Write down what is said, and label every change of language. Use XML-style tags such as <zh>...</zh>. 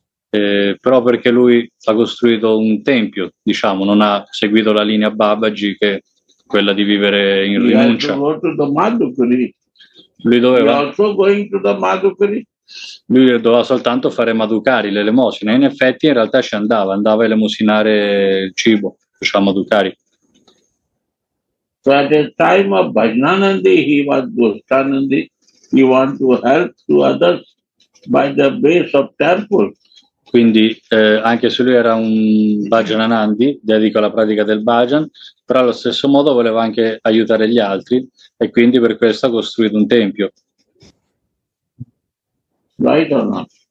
<it>Però perché lui ha costruito un tempio, diciamo, non ha seguito la linea Babaji che quella di vivere in rinuncia. Lui doveva soltanto fare Madhukari, l'elemosina. In effetti, in realtà ci andava a elemosinare il cibo, cioè Madhukari.</it> <en>So at the time of Bhajnanandi, he was Goshtanandi. He wanted to help to others by the base of temple.</en> <it>Quindi, anche se lui era un Bhajnanandi, dedico alla pratica del Bhajan, però allo stesso modo voleva anche aiutare gli altri e quindi per questo ha costruito un tempio.</it> <en>Right or not?</en>